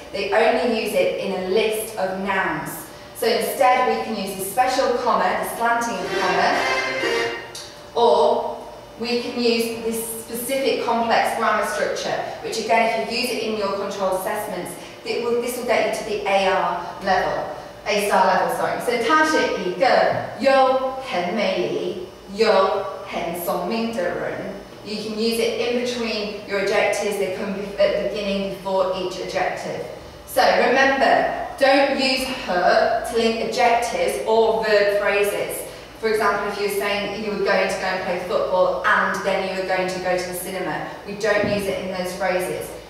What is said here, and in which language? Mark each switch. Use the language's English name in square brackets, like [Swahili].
[English] They only use it in a list of nouns. So instead, we can use a special comma, the slanting of the comma, or we can use this specific complex grammar structure, which again, if you use it in your controlled assessments, this will get you to the A star level. [Chinese] So 她是一个又很美丽又很聪明的人. [English] You can use it in between your adjectives. They come at the beginning before each adjective. So remember, don't use her to link adjectives or verb phrases. For example, if you're saying you were going to go and play football and then you were going to go to the cinema, we don't use it in those phrases.